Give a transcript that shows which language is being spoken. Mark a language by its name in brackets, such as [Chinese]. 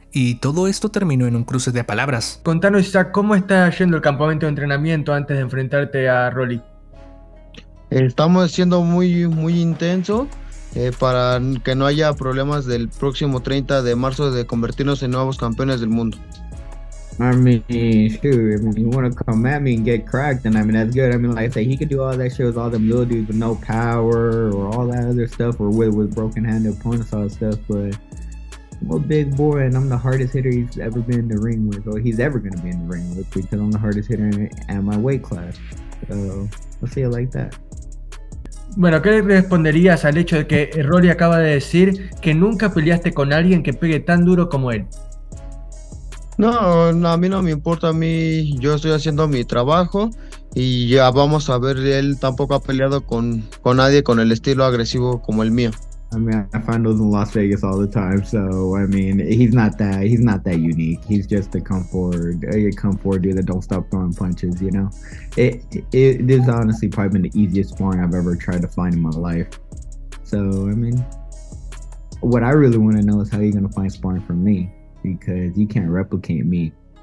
[Spanish] Y todo esto terminó en un cruce de palabras. Contanos, Isaac, ¿cómo está yendo el campamento de entrenamiento antes de enfrentarte a Rolly? Estamos siendo muy, muy intenso para que no haya problemas del próximo 30 de marzo de convertirnos en nuevos campeones del mundo. [English] I mean, shoot, if you want to come at me and get cracked, then I mean, that's good. I mean, like I said, he could do all that shit with all them little dudes with no power or all that other stuff or with broken hand opponents, all that stuff, but I'm a big boy and I'm the hardest hitter he's ever been in the ring with, or he's ever going to be in the ring with, because I'm the hardest hitter at my weight class. So, I'll say it like that. [Spanish] Bueno, ¿qué le responderías al hecho de que Rory acaba de decir que nunca peleaste con alguien que pegue tan duro como él? No, a mí no me importa, a mí yo estoy haciendo mi trabajo y ya vamos a ver, él tampoco ha peleado con nadie con el estilo agresivo como el mío. [English] I mean, I find those in Las Vegas all the time. So, I mean, he's not that unique. He's just a comfort dude that don't stop throwing punches, you know? It this has honestly probably been the easiest sparring I've ever tried to find in my life. So, I mean, what I really want to know is how you're gonna find sparring for me, because you can't replicate me.